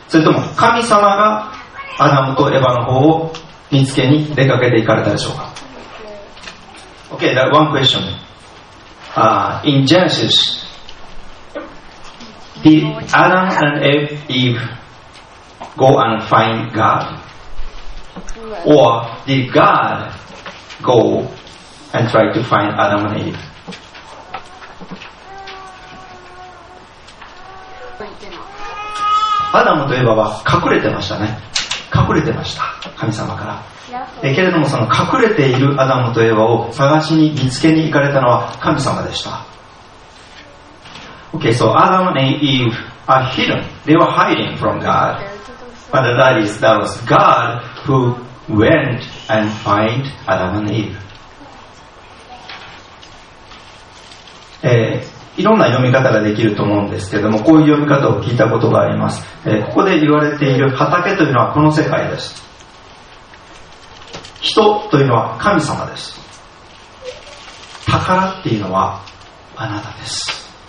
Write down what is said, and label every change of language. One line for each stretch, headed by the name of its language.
Japanese: それとも神様がアダムとエヴァの方を見つけに出かけていかれたでしょうか。
English: Okay, that one question. In Genesis, did Adam and Eve go and find God? Or did God go and try to find Adam and Eve?
Japanese: Adam and Eve は隠れてましたね。隠れてました、神様から。けれどもその隠れているアダムとエヴァを探しに見つけに行かれたのは神様でした。
English: Okay, so Adam and Eve are hidden. They were hiding from God. But that was God who went and find Adam and Eve.
Japanese: いろんな読み方ができると思うんですけれども、こういう読み方を聞いたことがあります。ここで言われている畑というのはこの世界です。人というのは神様です。宝っていうのはあなたです。